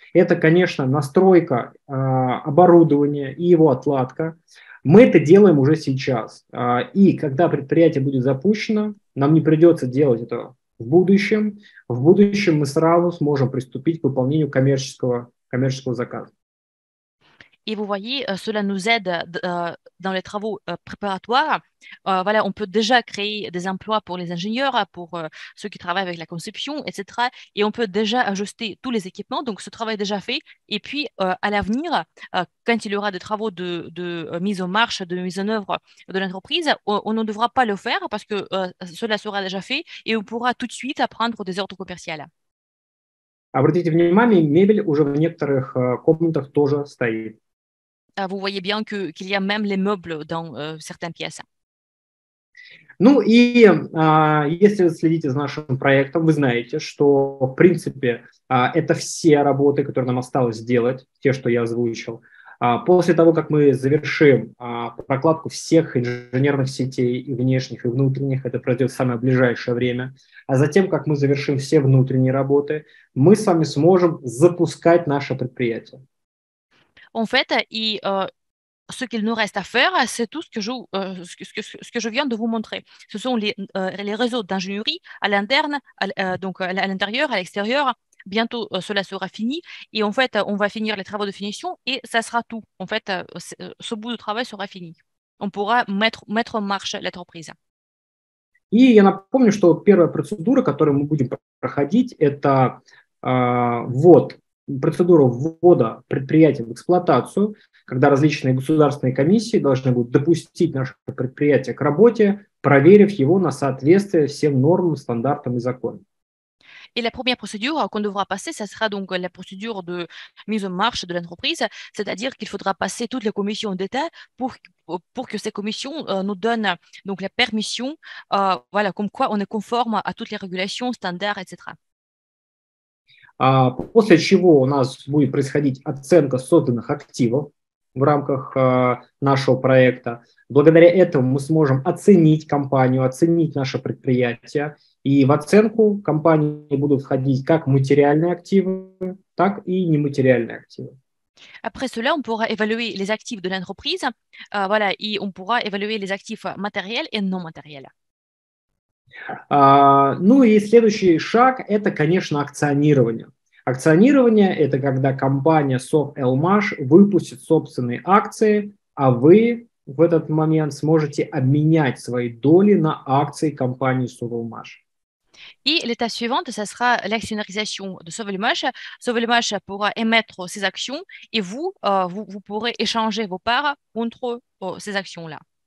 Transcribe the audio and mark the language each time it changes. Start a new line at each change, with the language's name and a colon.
Russian: Это, конечно, настройка оборудования и его отладка. Мы это делаем уже сейчас. И когда предприятие будет запущено, нам не придется делать это в будущем. В будущем мы сразу сможем приступить к выполнению коммерческого заказа.
French: Et vous voyez, cela nous aide dans les travaux préparatoires. Voilà, on peut déjà créer des emplois pour les ingénieurs, pour ceux qui travaillent avec la conception, etc. Et on peut déjà ajuster tous les équipements, donc ce travail est déjà fait. Et puis, à l'avenir, quand il y aura des travaux de mise en marche, de mise en œuvre de l'entreprise, on ne devra pas le faire parce que cela sera déjà fait et on pourra tout de suite prendre des ordres commerciaux.
Russian: Обратите внимание, мебель уже в некоторых комнатах тоже стоит.
French: Vous voyez bien que, qu'il y a même les meubles dans certaines pièces.
Russian: Ну и если вы следите за нашим проектом, вы знаете, что в принципе это все работы, которые нам осталось сделать, те, что я озвучил. После того, как мы завершим прокладку всех инженерных сетей и внешних, и внутренних, это пройдет в самое ближайшее время, а затем, как мы завершим все внутренние работы, мы с вами сможем запускать наше предприятие.
French: En fait, ce qu'il nous reste à faire, c'est tout ce que je viens de vous montrer. Ce sont les réseaux d'ingénierie à l'interne, donc à l'intérieur, à l'extérieur. Bientôt, cela sera fini. Et en fait, on va finir les travaux de finition et ça sera tout. En fait, ce bout de travail sera fini. On pourra mettre en marche l'entreprise.
Russian: И я напомню, что первая процедура, которую мы будем проходить, это ввод. Процедура ввода предприятия в эксплуатацию, когда различные государственные комиссии должны будут допустить наше предприятие к работе, проверив его на соответствие всем нормам, стандартам и законам.
French: Et la première procédure qu'on devra passer, ça sera donc la procédure de mise en marche de l'entreprise, c'est-à-dire qu'il faudra passer toutes les commissions d'État pour que ces commissions nous donnent donc la permission, voilà, comme quoi on est conforme à toutes les régulations, standards, etc.
Russian: После чего у нас будет происходить оценка созданных активов в рамках нашего проекта. Благодаря этому мы сможем оценить компанию, оценить наше предприятие. И в оценку компании будут входить как материальные активы, так и нематериальные активы.
French: Après cela, on pourra évaluer les actifs de l'entreprise, voilà, и on pourra évaluer les actifs matériels et non matériels.
Russian: Ну и следующий шаг – это, конечно, акционирование. Акционирование – это когда компания Совэлмаш выпустит собственные акции, а вы в этот момент сможете обменять свои доли на акции компании Sovelmash.
French: Et l'étape suivante, ça sera l'actionnarisation de Sovelmash. Sovelmash pourra émettre ses actions et vous, vous pourrez échanger vos parts contre ces actions-là.